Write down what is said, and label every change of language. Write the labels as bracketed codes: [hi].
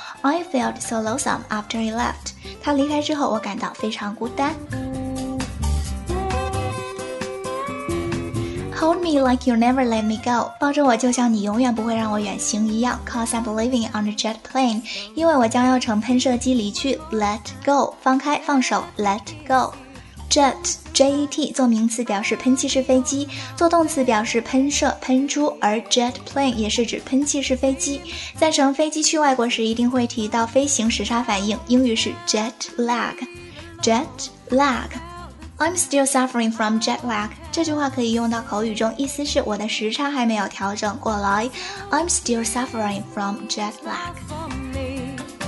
[en] I felt so lonesome after he left. [zh] 他离开之后，我感到非常孤单。 [en] Hold me like you never let me go. [zh] 抱着我就像你永远不会让我远行一样。 [en] Cause I'm leaving on a jet plane. [zh] 因为我将要乘喷射机离去。 [en] Let go, [zh] 放开、放手。 [en] Let go. [zh] Jet, J-E-T, 做名词表示喷气式飞机，做动词表示喷射、喷出，而 jet plane 也是指喷气式飞机。在乘飞机去外国时，一定会提到飞行时差反应，英语是 jet lag, jet lag. [en] I'm still suffering from jet lag. [zh] 这句话可以用到口语中，意思是我的时差还没有调整过来。 [en] I'm still suffering from jet lag.